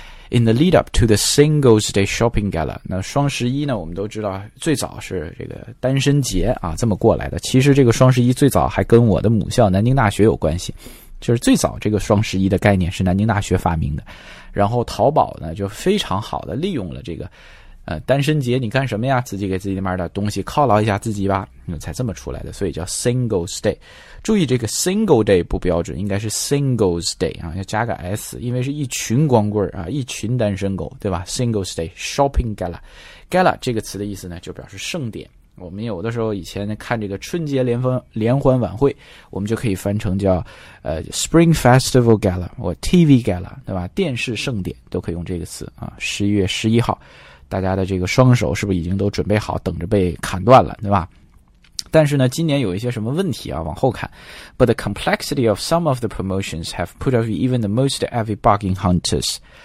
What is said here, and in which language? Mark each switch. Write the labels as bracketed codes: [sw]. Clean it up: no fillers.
[en] in the lead up to the Singles Day Shopping Gala. [zh] 那双十一呢，我们都知道最早是这个单身节啊，这么过来的。其实这个双十一最早还跟我的母校南京大学有关系，就是最早这个双十一的概念是南京大学发明的。然后淘宝呢就非常好的利用了这个单身节，你干什么呀，自己给自己那边的东西犒劳一下自己吧，才这么出来的，所以叫 Singles Day。注意这个 Single Day 不标准，应该是 Singles Day、啊、要加个 S， 因为是一群光棍、啊、一群单身狗，对吧？ Singles Day Shopping Gala， Gala 这个词的意思呢就表示盛典。我们有的时候以前看这个春节联欢晚会，我们就可以翻成叫Spring Festival Gala 或 TV Gala， 对吧？电视盛典都可以用这个词啊。11月11号大家的这个双手是不是已经都准备好等着被砍断了，对吧？但是呢今年有一些什么问题啊，往后看。 [en] But the complexity of some of the promotions have put off even the most avid bargain hunters.